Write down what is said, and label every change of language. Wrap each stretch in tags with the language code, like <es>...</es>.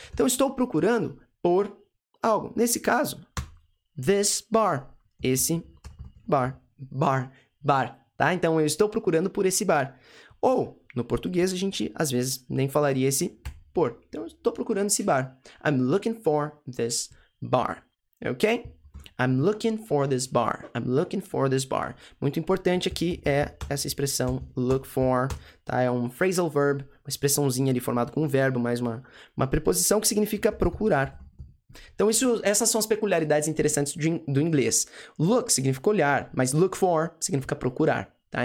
<pt>Então, estou procurando por algo. Nesse caso,</pt> <en>this bar,</en> <pt>esse bar, tá? Então, eu estou procurando por esse bar. Ou, no português, a gente, às vezes, nem falaria esse por. Então, eu estou procurando esse bar.</pt> <en>I'm looking for this bar,</en> <pt>ok?</pt> <en>I'm looking for this bar, I'm looking for this bar.</en> <pt>Muito importante aqui é essa expressão look for, tá? É um phrasal verb, uma expressãozinha ali formada com um verbo, mais uma preposição que significa procurar. Então, essas são as peculiaridades interessantes do inglês. Look significa olhar, mas</pt> <en>look for</en> <pt>significa procurar, tá?</pt>